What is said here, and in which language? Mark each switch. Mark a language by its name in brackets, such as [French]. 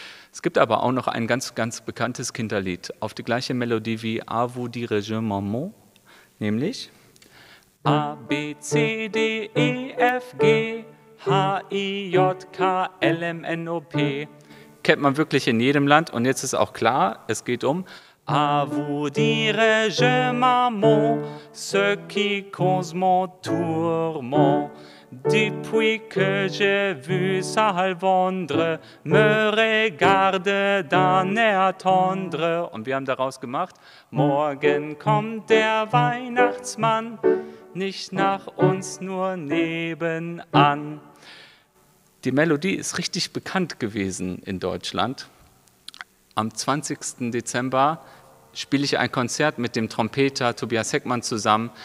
[German] Es gibt aber auch noch ein ganz, ganz bekanntes Kinderlied auf die gleiche Melodie wie A vous dirai-je, maman, nämlich A, B, C, D, E, F, G, H, I, J, K, L, M, N, O, P. Kennt man wirklich in jedem Land und jetzt ist auch klar, es geht um [French] A vous dirai-je, maman, ce qui cause mon tourment. Depuis que j'ai vu Salvandre, me regarde d'un air tendre. [German] Und wir haben daraus gemacht, morgen kommt der Weihnachtsmann, nicht nach uns, nur nebenan. Die Melodie ist richtig bekannt gewesen in Deutschland. Am 20. Dezember spiele ich ein Konzert mit dem Trompeter Tobias Heckmann zusammen.